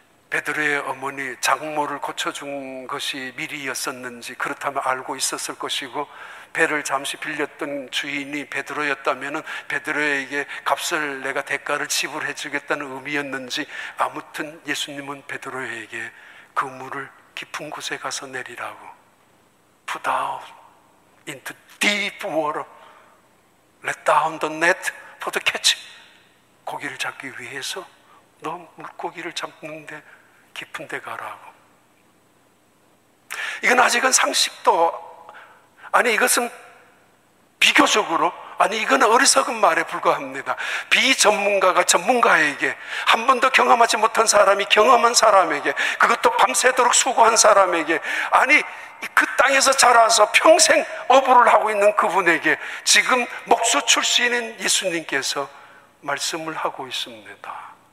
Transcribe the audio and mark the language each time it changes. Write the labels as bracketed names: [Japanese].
[Korean] 베드로의 어머니 장모를 고쳐준 것이 미리였었는지 그렇다면 알고 있었을 것이고 배를 잠시 빌렸던 주인이 베드로였다면 베드로에게 값을 내가 대가를 지불해 주겠다는 의미였는지 아무튼 예수님은 베드로에게 그 물을 깊은 곳에 가서 내리라고 부담 [English] into deep water. Let down the net for the catch. [Korean] 고기를 잡기 위해서 너 물고기를 잡는데 깊은 데 가라고. 이건 아직은 상식도 아니, 이것은 비교적으로 아니, 이건 어리석은 말에 불과합니다. 비전문가가 전문가에게, 한 번도 경험하지 못한 사람이 경험한 사람에게, 그것도 밤새도록 수고한 사람에게, 아니 그 땅에서 자라서 평생 어부를 하고 있는 그분에게 지금 목수 출신인 예수님께서 말씀을 하고 있습니다.